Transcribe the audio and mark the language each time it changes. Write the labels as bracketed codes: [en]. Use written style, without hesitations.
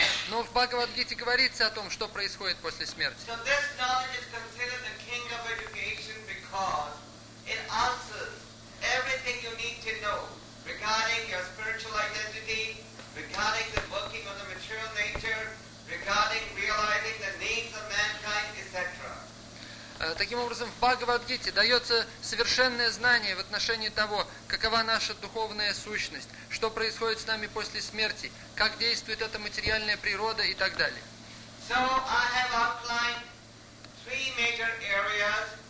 [ru] Но в Бхагавад-гите говорится о том, что происходит после смерти. [en] So this knowledge is considered the king of because it answers everything you need to know regarding your spiritual identity, regarding the working of the material nature, regarding realizing the needs of mankind, etc. [ru] Таким образом, в Бхагавад-гите дается совершенное знание в отношении того, какова наша духовная сущность, что происходит с нами после смерти, как действует эта материальная природа и так далее. [en] So I have outlined three major areas.